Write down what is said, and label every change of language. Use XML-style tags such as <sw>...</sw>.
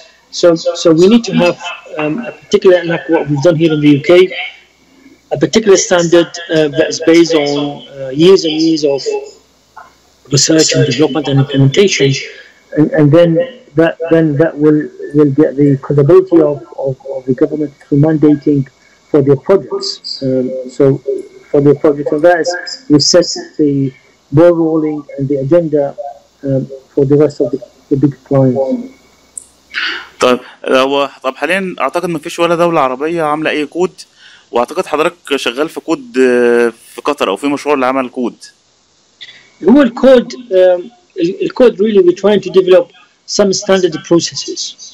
<en>So we need to have a particular, like what we've done here in the UK, a particular standard that is based on years and years of research and development and implementation, and then that will will get the credibility of the government through mandating for their projects. So for their projects, and that is, we set the ball rolling and the agenda for the rest of the big clients.</en> <ar>طب هو طب حاليا اعتقد ما فيش ولا دوله عربيه عامله اي كود, واعتقد حضرتك شغال في كود في قطر او في مشروع لعمل كود. هو الكود الكود</ar> <en>really we're trying to develop some standard processes.</en>